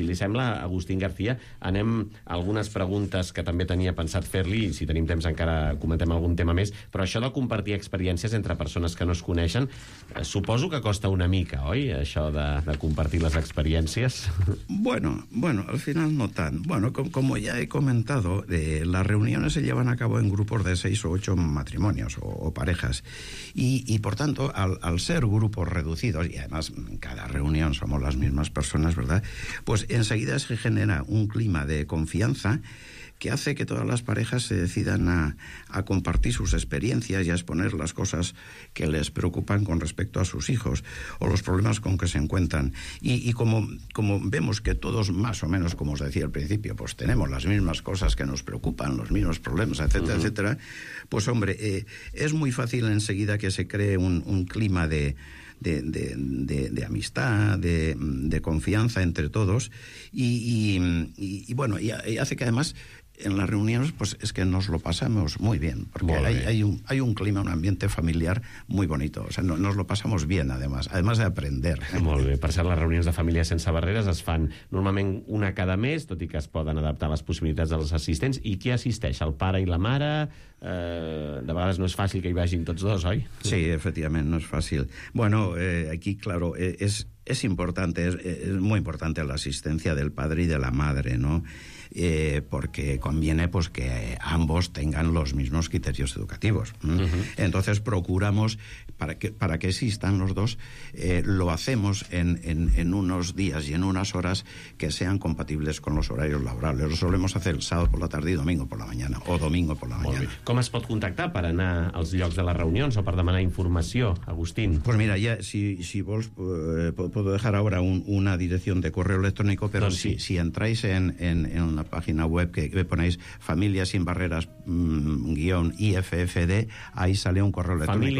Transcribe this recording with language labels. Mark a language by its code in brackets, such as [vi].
[ca] Si li sembla, Agustín García, anem a algunes preguntes que també tenia pensat fer-li, i si tenim temps encara comentem algun tema més, però això de compartir experiències entre persones que no es coneixen, suposo que costa una mica, oi, això de compartir les experiències? [es] Bueno, al final no tant. Bueno, como ya he comentado, las reuniones se llevan a cabo en grupos de 6 o 8 matrimonios o parejas, y por tanto, al ser grupos reducidos, y además en cada reunión somos las mismas personas, ¿verdad?, pues enseguida se genera un clima de confianza que hace que todas las parejas se decidan a compartir sus experiencias y a exponer las cosas que les preocupan con respecto a sus hijos o los problemas con que se encuentran. Y como vemos que todos, más o menos, como os decía al principio, pues tenemos las mismas cosas que nos preocupan, los mismos problemas, etcétera, uh-huh, etcétera, pues hombre, es muy fácil enseguida que se cree un clima de amistad, de confianza entre todos, y hace que además en las reuniones pues es que nos lo pasamos muy bien, porque hay un clima, un ambiente familiar muy bonito, o sea, no, nos lo pasamos bien, además de aprender. [ca] Molt bé, per cert, les reunions de família sense barreres es fan normalment una cada mes, tot i que es poden adaptar les possibilitats dels assistents. I qui assisteix, el pare i la mare? De vegades no és fàcil que hi vagin tots dos, oi? Sí, efectivament, no és fàcil. [es] Bueno, aquí, claro, es importante, es muy importante la asistencia del padre y de la madre, ¿no? porque conviene pues que ambos tengan los mismos criterios educativos. Entonces procuramos para que existan los dos, lo hacemos en unos días y en unas horas que sean compatibles con los horarios laborales. Lo solemos hacer el sábado por la tarde y domingo por la mañana, o domingo por la mañana. [ca] Com es pot contactar per anar als llocs de les reunions o per demanar informació, Agustín? [es] Pues mira, ya, [ca] si vols, [es] puedo dejar ahora una dirección de correo electrónico, pero [ca] doncs [es] sí. Si entráis en una página web que ponéis familiasinbarreras-IFFD, ahí sale un correo electrónico.